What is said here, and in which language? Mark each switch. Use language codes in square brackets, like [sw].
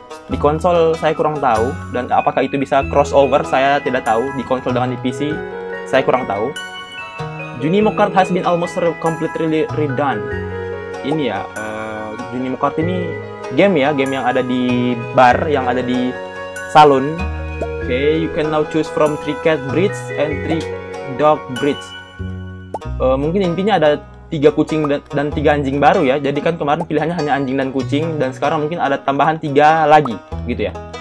[id] Di konsol saya kurang tahu, dan apakah itu bisa crossover saya tidak tahu. Di konsol dengan di PC saya kurang tahu. [en] Junimo Kart has been almost completely redone. [id] Ini ya, Junimo Kart ini game ya, game yang ada di bar, yang ada di salon. [en] Okay, you can now choose from 3 cat breeds and 3 dog breeds. [id] Mungkin intinya ada 3 kucing dan 3 anjing baru ya. Jadi kan kemarin pilihannya hanya anjing dan kucing, dan sekarang mungkin ada tambahan 3 lagi gitu ya.